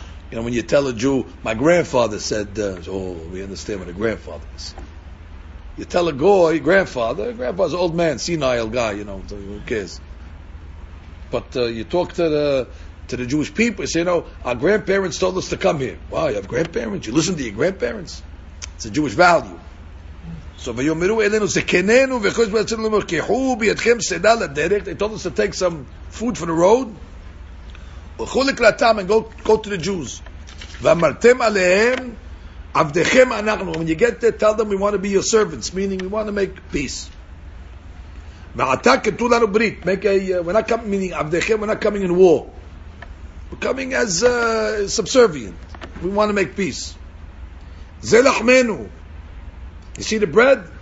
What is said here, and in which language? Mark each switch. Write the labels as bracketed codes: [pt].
[en] You know, when you tell a Jew, my grandfather said, we understand what a grandfather is. You tell a goy, grandfather's an old man, senile guy, you know, so who cares? But you talk to the Jewish people, say, you know, our grandparents told us to come here. Wow, you have grandparents? You listen to your grandparents? It's a Jewish value. So, [he] ויאמרו אלינו, זקננו, וכל יושבי ארצנו לאמור, קחו בידכם סעדה לדרך. [en] They told us to take some food for the road. [he] הלכו לקראתם [en] and go to the Jews. [he] ואמרתם עליהם, עבדיכם אנחנו. [en] When you get there, tell them we want to be your servants, meaning we want to make peace. [he] ועתה כתבו לנו ברית, [en] we're not coming in war. Coming as subservient. We want to make peace. [he] זה לחמנו. [en] You see the bread?